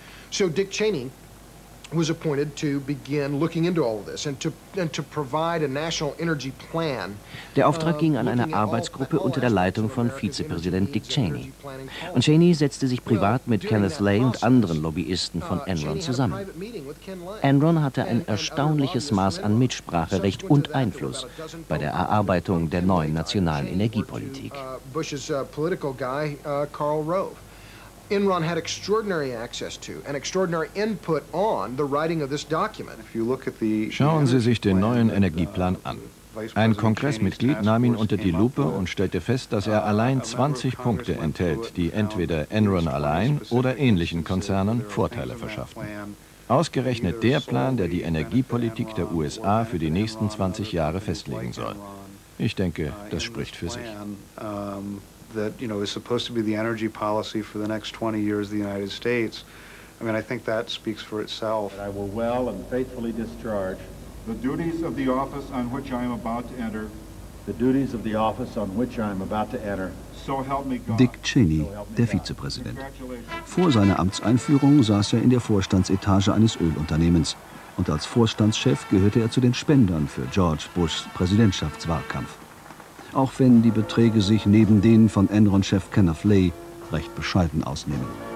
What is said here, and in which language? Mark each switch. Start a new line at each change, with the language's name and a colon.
English: So Dick Cheney was appointed to begin looking into all of this and to provide a national energy plan.
German: Der Auftrag ging an eine Arbeitsgruppe unter der Leitung von Vizepräsident Dick Cheney. Und Cheney setzte sich privat mit Kenneth Lay und anderen Lobbyisten von Enron zusammen. Enron hatte ein erstaunliches Maß an Mitspracherecht und Einfluss bei der Erarbeitung der neuen nationalen Energiepolitik.
English: Bush's political guy, Karl Rove. Enron had extraordinary access to and extraordinary input on the writing of this document.
German: Schauen Sie sich den neuen Energieplan an. Ein Kongressmitglied nahm ihn unter die Lupe und stellte fest, dass er allein 20 Punkte enthält, die entweder Enron allein oder ähnlichen Konzernen Vorteile verschafften. Ausgerechnet der Plan, der die Energiepolitik der USA für die nächsten 20 Jahre festlegen soll. Ich denke, das spricht für sich.
English: That, you know, is supposed to be the energy policy for the next 20 years of the United States. I mean, I think that speaks for itself. I will well and faithfully discharge the duties of the office on which I am about to enter. The duties of the office on which I am about to enter. So help me God.
German: Dick Cheney, der Vizepräsident. Vor seiner Amtseinführung saß er in der Vorstandsetage eines Ölunternehmens. Und als Vorstandschef gehörte er zu den Spendern für George Bushs Präsidentschaftswahlkampf. Auch wenn die Beträge sich neben denen von Enron-Chef Kenneth Lay recht bescheiden ausnehmen.